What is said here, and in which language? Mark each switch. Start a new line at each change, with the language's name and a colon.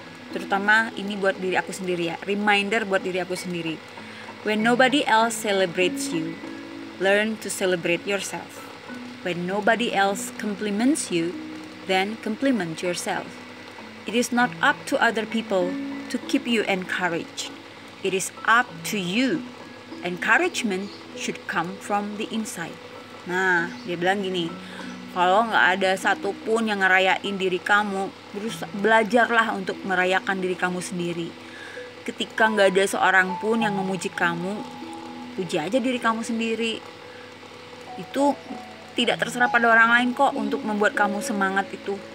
Indonesian: Terutama ini buat diri aku sendiri ya. Reminder buat diri aku sendiri.
English: When nobody else celebrates you, learn to celebrate yourself. When nobody else compliments you, then compliment yourself. It is not up to other people to keep you encouraged. It is up to you. Encouragement should come from the inside.
Indonesian: Nah, dia bilang gini, kalau gak ada satupun yang ngerayain diri kamu, belajarlah untuk merayakan diri kamu sendiri. Ketika gak ada seorang pun yang memuji kamu, puji aja diri kamu sendiri. Itu tidak terserah pada orang lain kok untuk membuat kamu semangat itu.